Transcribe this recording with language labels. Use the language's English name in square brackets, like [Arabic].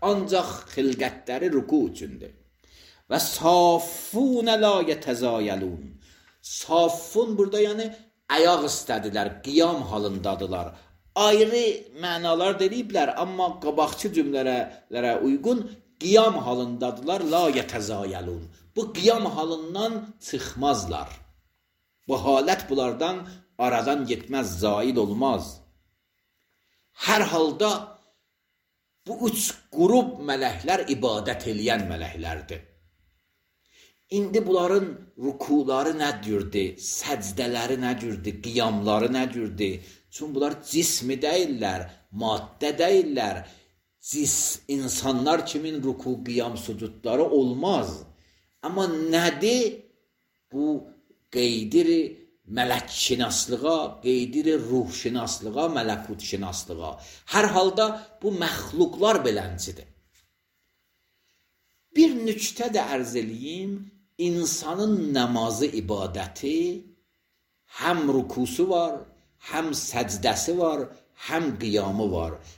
[Azerbaijani] Ancaq xilqətləri ruku üçündür. [Arabic] Və safun la yətəzayəlun. [Azerbaijani] Safun burada yəni ayaq istədilər, qiyam halındadılar. Ayrı mənalar deyiblər, amma qabaqçı cümlələrə uyğun qiyam halındadılar, [Arabic] la yətəzayəlun. [Azerbaijani] Bu qiyam halından çıxmazlar. Bu halət bunlardan aradan getməz, zail olmaz. Hər halda bu üç qrup mələklər ibadət eləyən mələklərdir. İndi bunların rükuları nə cürdür, səcdələri nə cürdür, qiyamları nə cürdür? Çünki bunlar cismi deyirlər, maddə deyirlər. Cis insanlar kimin ruku, qiyam, sucudları olmaz. Amma nədir? Bu qeydiri mələk şinaslığa, qeydiri ruh şinaslığa, mələkut şinaslığa. Hər halda bu məxluqlar beləncidir. Bir nüktə də ərz eləyim, insanın namazı ibadəti həm rukusu var, həm səcdəsi var, həm qiyamı var.